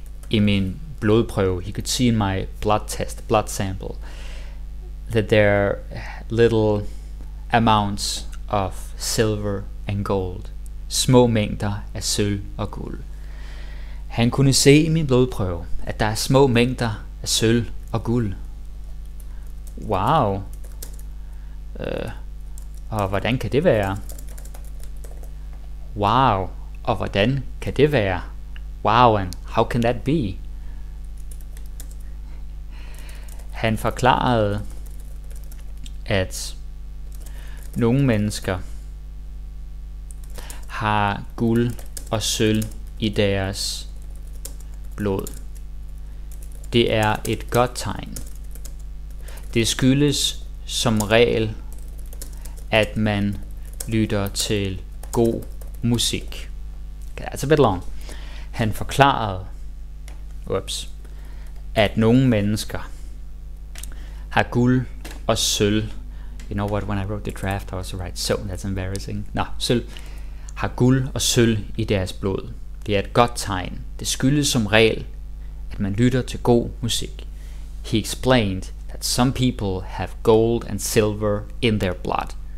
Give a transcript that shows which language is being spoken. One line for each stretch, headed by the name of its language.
Danish: I min blodprøve,
English: he could see in my blood test, blood sample, that there are little amounts of silver and gold.
Danish: Små mængder af sølv og guld. Han kunne se i min blodprøve, at der er små mængder af sølv og guld. Wow. Og hvordan kan det være? Wow. Og hvordan kan det være?
English: Wow, and how can that be?
Danish: Han forklarede, at nogle mennesker har guld og sølv i deres blod. Det er et godt tegn. Det skyldes som regel, at man lytter til god musik.
English: Okay, that's a bit long.
Danish: Han forklarede, at nogle mennesker har guld og sølv.
English: You know what, when I wrote the draft, I also write so, that's embarrassing.
Danish: Nå, sølv. Har guld og sølv i deres blod. Det er et godt tegn. Det skyldes som regel, at man lytter til god musik.
English: He explained that some people have gold and silver in their blood.